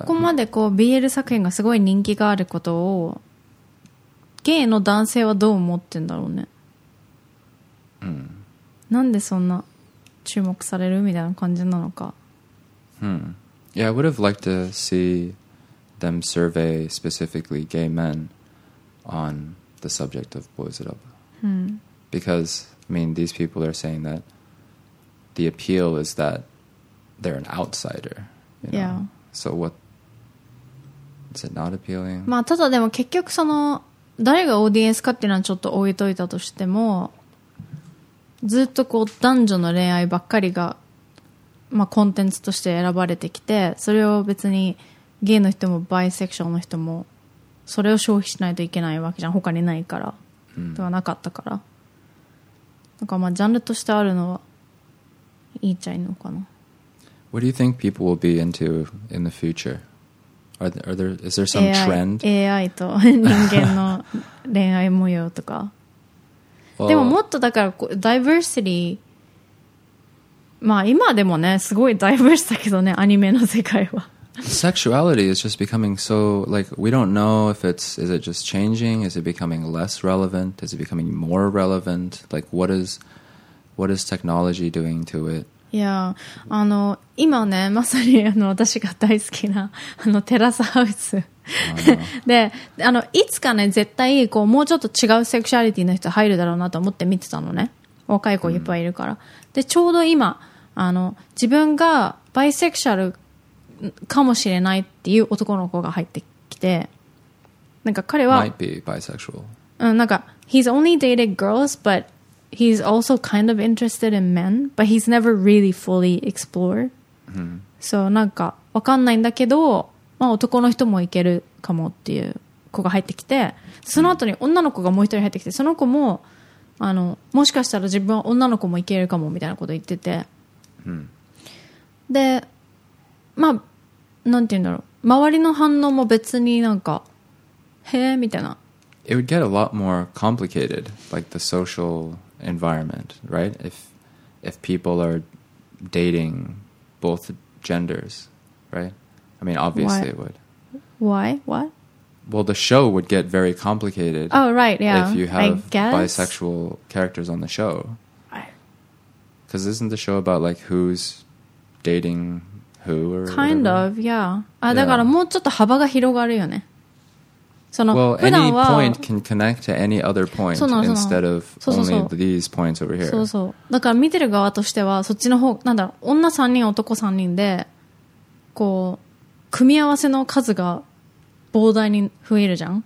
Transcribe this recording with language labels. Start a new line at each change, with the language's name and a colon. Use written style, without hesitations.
Japanese: ここまでこう BL 作品がすごい人気があることをゲイの男性はどう思ってんだろうね。うん。なんでそんな注目されるみたいな感じなのか。
English: Yeah, I would have liked to see them survey specifically gay men on the subject of boys love. Because I mean, these people are saying that. The appeal is that they're an outsider, you know? Yeah. So what, Is it not appealing?
Japanese: まあ、ただでも結局その誰がオーディエンスかっていうのはちょっと置いといたとしても、ずっとこう男女の恋愛ばっかりが、まあ、コンテンツとして選ばれてきて、それを別にゲイの人もバイセクションの人もそれを消費しないといけないわけじゃん、他にないから、うん、ではなかったから、なんかまあジャンルとしてあるのはいいっちゃいいのかな。
English: What do you think people will be into in the future? Is there some trend?
Japanese: AI と人間の恋愛模様とか。 Well, でももっとだからダイバーシティ、まあ今でもねすごいダイバーシだけどね、アニメの世界は。
English: Sexuality is just becoming so, like, we don't know if it's, is it just changing? Is it becoming less relevant? Is it becoming more relevant? Like, what is technology doing to it?
Japanese: Yeah, あの、今ね、まさにあの、私が大好きな、あの、テラスハウス。で、あの、いつかね、絶対、こう、もうちょっと違うセクシュアリティの人入るだろうなと思って見てたのね。若い子いっぱいいるから。 Mm. で、ちょうど今、あの、自分がバイセクシャル、かもしれないっていう男の子が入ってきて、なんか彼は
English: might be bisexual、
Japanese: うん、なんか
English: he's only dated girls but he's also kind of interested in men but he's never really fully explored、 mm-hmm.
Japanese: そう、なんかわかんないんだけど、まあ、男の人もいけるかもっていう子が入ってきて、その後に女の子がもう一人入ってきて、その子もあのもしかしたら自分は女の子もいけるかもみたいなこと言ってて、 mm-hmm. で、まあ、なんて言うんだろう、周りの反応も別になんかへーみたいな。
English: It would get a lot more complicated, like the social environment, right? If people are dating both genders, right? I mean, obviously、 Why? It would. Why? What? Well, the show would get very complicated. Oh, right, yeah. If you have bisexual characters on the show. Because isn't the show about like who's dating... Kind of, yeah. Ah,
Japanese: だからもうちょっと幅が広がるよね。その普段は、
English: well, any point can connect to any other point instead of only these points over here.
Japanese: そうそう。だから見てる側としては、そっちの方、なんだろう、女3人、男3人で、こう、組み合わせの数が膨大に増えるじゃん。